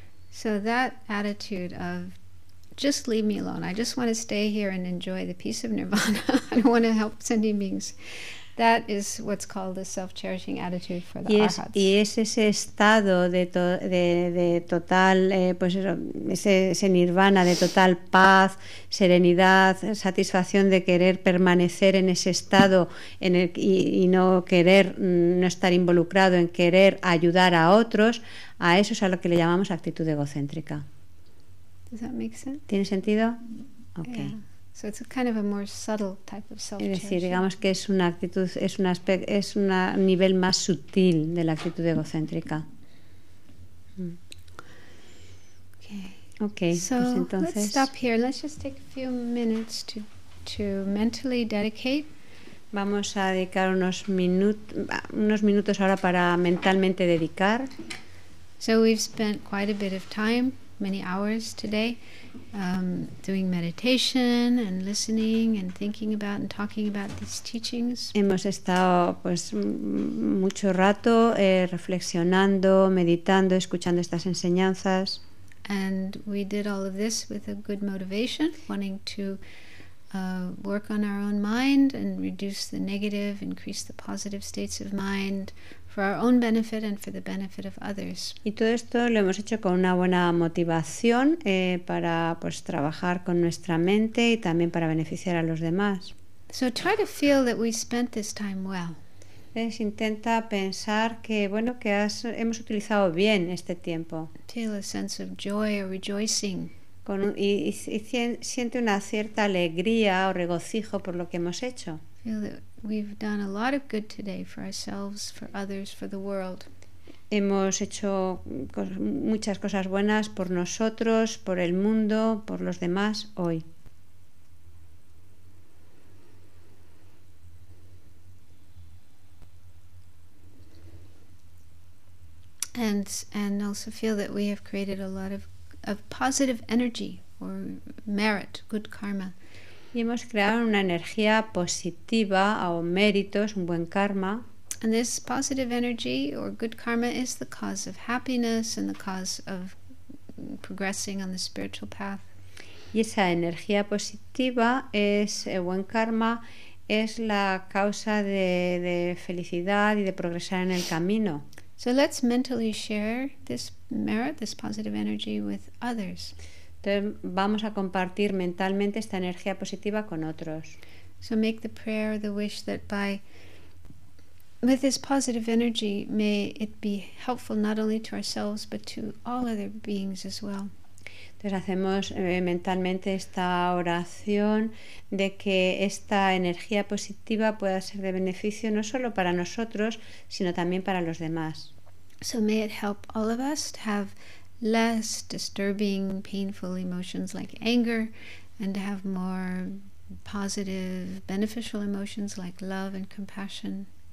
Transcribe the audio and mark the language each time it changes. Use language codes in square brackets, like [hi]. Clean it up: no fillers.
[en] So that attitude of just leave me alone, I just want to stay here and enjoy the peace of nirvana, I don't want to help sentient beings. That is what's called the self-cherishing attitude for the arhats. [es] Y es ese estado de total nirvana, de total paz, serenidad, satisfacción de querer permanecer en ese estado en el, y no querer, no estar involucrado en querer ayudar a otros, a eso es a lo que le llamamos actitud egocéntrica. [en] Does that make sense? [es] ¿Tiene sentido? [en] Okay. Yeah. So it's a kind of a more subtle type of self-cherishing. [es] Es decir, digamos que es una actitud, es un aspecto, es un nivel más sutil de la actitud egocéntrica. [en] Okay. [es] So pues entonces, [en] let's stop here. Let's just take a few minutes to mentally dedicate. [es] Vamos a dedicar unos minutos ahora para mentalmente dedicar. [en] So we've spent quite a bit of time, many hours today, doing meditation and listening and thinking about and talking about these teachings. [es] Hemos estado pues mucho rato reflexionando, meditando, escuchando estas enseñanzas. [en] And we did all of this with a good motivation, wanting to work on our own mind and reduce the negative, increase the positive states of mind for our own benefit and for the benefit of others. [es] Y todo esto lo hemos hecho con una buena motivación para pues trabajar con nuestra mente y también para beneficiar a los demás. [en] So try to feel that we spent this time well. [es] Es intenta pensar que bueno que has, hemos utilizado bien este tiempo. [en] Feel a sense of joy or rejoicing. [es] Con un, y siente una cierta alegría o regocijo por lo que hemos hecho. [en] Feel that we've done a lot of good today for ourselves, for others, for the world. [es] Hemos hecho muchas cosas buenas por nosotros, por el mundo, por los demás hoy. [en] And also feel that we have created a lot of positive energy or merit, good karma. [es] Y hemos creado una energía positiva o méritos, un buen karma. [en] And this positive energy or good karma is the cause of happiness and the cause of progressing on the spiritual path. [es] Y esa energía positiva es el buen karma, es la causa de felicidad y de progresar en el camino. [en] So let's mentally share this merit, this positive energy with others. [es] Entonces vamos a compartir mentalmente esta energía positiva con otros. [en] So make the prayer or the wish that by with this positive energy may it be helpful not only to ourselves but to all other beings as well. [es] Entonces hacemos mentalmente esta oración de que esta energía positiva pueda ser de beneficio no solo para nosotros, sino también para los demás. [en] So may it help all of us to have less disturbing, painful emotions like anger, and to have more positive, beneficial emotions like love and compassion.